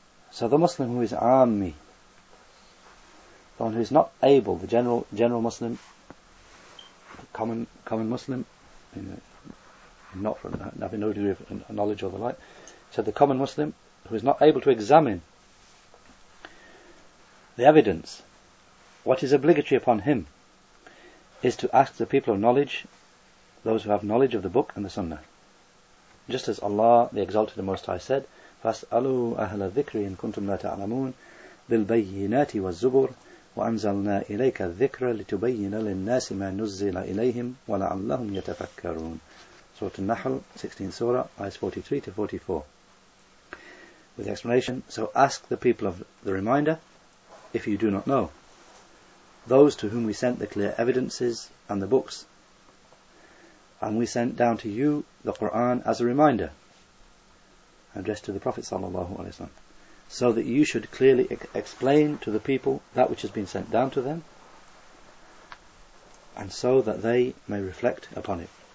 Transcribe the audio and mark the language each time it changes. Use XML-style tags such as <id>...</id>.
<en>So the Muslim who is ammi, the one who is not able, the general Muslim, the common Muslim, you know, not from having no degree of knowledge or the like, so the common Muslim who is not able to examine the evidence, what is obligatory upon him is to ask the people of knowledge, those who have knowledge of the book and the sunnah. Just as Allah, the Exalted and Most High, said,</en> <ar>فَاسْأَلُوا أَهْلَ الذِّكْرِ إِن كُنْتُمْ لَا تَعْلَمُونَ بِالْبَيِّنَاتِ وَالزُّبُرِ وَأَنزَلْنَا إِلَيْكَ الذِّكْرَ لِتُبَيِّنَ لِلنَّاسِ مَا نُزِّلَ إِلَيْهِمْ وَلَعَلَّهُمْ يَتَفَكَّرُونَ</ar> <en>Surah An-Nahl, 16th Surah, Ayahs 43-44. With the explanation, so ask the people of the reminder, if you do not know, those to whom we sent the clear evidences and the books, and we sent down to you the Qur'an as a reminder, addressed to the Prophet sallallahu alaihi wasallam, so that you should clearly explain to the people that which has been sent down to them, and so that they may reflect upon it.</en>